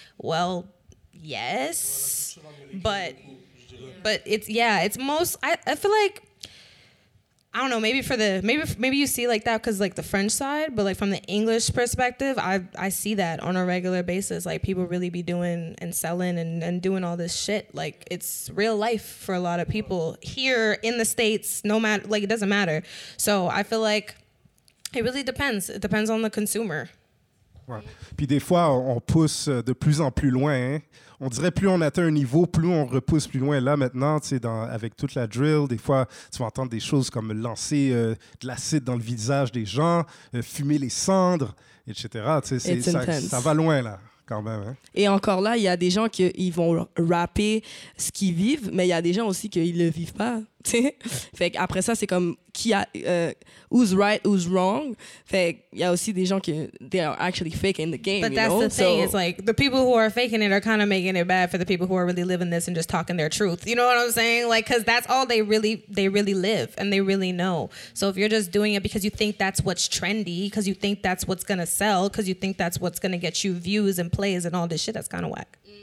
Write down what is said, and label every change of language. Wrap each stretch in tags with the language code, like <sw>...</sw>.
<en>Well, yes, I feel like, I don't know, maybe you see like that because like the French side, but like from the English perspective, I see that on a regular basis. Like, people really be doing and selling and doing all this shit. Like, it's real life for a lot of people here in the States, no matter, like, it doesn't matter. So I feel like it really depends. It depends on the consumer.</en> <fr>Ouais. Puis des fois, on pousse de plus en plus loin. On dirait plus on atteint un niveau, plus on repousse plus loin. Là, maintenant, tu sais, avec toute la drill, des fois, tu vas entendre des choses comme lancer de l'acide dans le visage des gens, fumer les cendres, etc. C'est ça va loin, là, quand même. Hein? Et encore là, il y a des gens qui vont rapper ce qu'ils vivent, mais il y a des gens aussi qui ne le vivent pas. Fait qu'après ça, c'est comme qui a</fr> <en>who's right, who's wrong.</en> <fr>Fait qu'il y a aussi des gens qui</fr> <en>they are actually faking the game. But that's know? The thing. So, it's like the people who are faking it are kind of making it bad for the people who are really living this and just talking their truth. You know what I'm saying? Like, because that's all they really live and they really know. So if you're just doing it because you think that's what's trendy, because you think that's what's gonna sell, because you think that's what's gonna get you views and plays and all this shit, that's kind of whack.</en>